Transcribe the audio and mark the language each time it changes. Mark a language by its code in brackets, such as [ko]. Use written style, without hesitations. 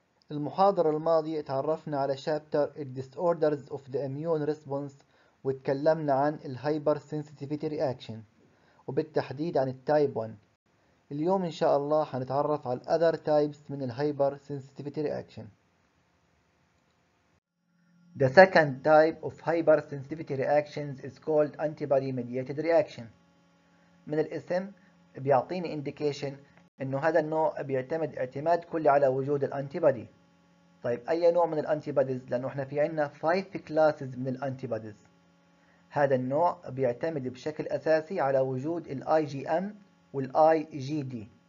[ar] المحاضرة الماضية تعرفنا على شابتر Disorders of the Immune Response وتكلمنا عن Hypersensitivity Reaction وبالتحديد عن Type 1. اليوم إن شاء الله هنتعرف على [en] Other Types [ar] من Hypersensitivity Reaction. [en] The second type of Hypersensitivity Reactions is called Antibody Mediated Reaction. [ar] من الاسم بيعطيني Indication انه هذا النوع بيعتمد اعتماد كلي على وجود الانتيبادي. طيب اي نوع من الانتيبادز؟ لانه احنا في عنا 5 كلاسز من الانتيبادز. هذا النوع بيعتمد بشكل اساسي على وجود الاي جي ام والاي جي دي.